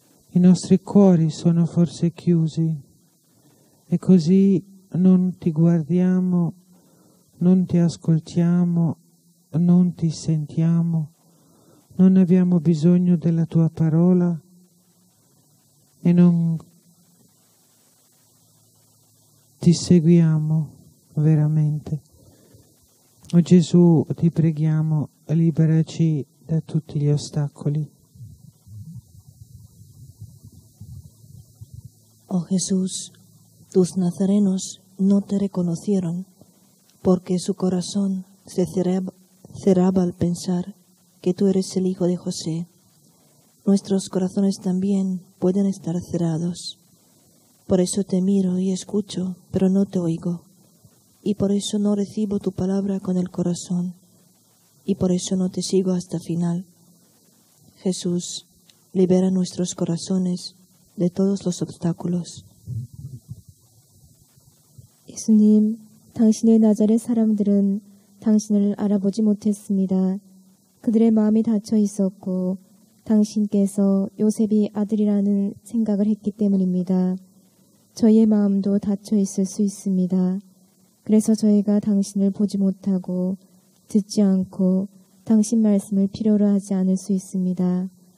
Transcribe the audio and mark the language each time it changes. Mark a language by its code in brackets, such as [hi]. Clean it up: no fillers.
[it] I nostri cuori sono forse chiusi e così non ti guardiamo, non ti ascoltiamo, non ti sentiamo, non abbiamo bisogno della tua parola e non ti seguiamo veramente. O Gesù, ti preghiamo, liberaci da tutti gli ostacoli. [es] Oh Jesús, tus nazarenos no te reconocieron porque su corazón se cerraba al pensar que tú eres el hijo de José. Nuestros corazones también pueden estar cerrados. Por eso te miro y escucho, pero no te oigo. Y por eso no recibo tu palabra con el corazón. Y por eso no te sigo hasta final. Jesús, libera nuestros corazones de todos los obstáculos. [ko] 예수님, 당신의 나사렛 사람들은 당신을 알아보지 못했습니다. 그들의 마음이 닫혀 있었고 당신께서 요셉이 아들이라는 생각을 했기 때문입니다. 저희의 마음도 닫혀 있을 수 있습니다. 그래서 저희가 당신을 보지 못하고 듣지 않고 당신 말씀을 필요로 하지 않을 수 있습니다.